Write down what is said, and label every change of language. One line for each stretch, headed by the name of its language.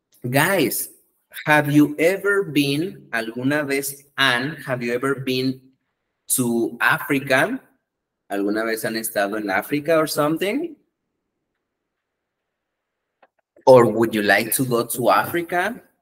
English: Guys, have you ever been,
Spanish: alguna vez,
English: Anne, have you ever been to Africa?
Spanish: ¿Alguna vez han estado en África
English: or something? Or would you like to go to Africa?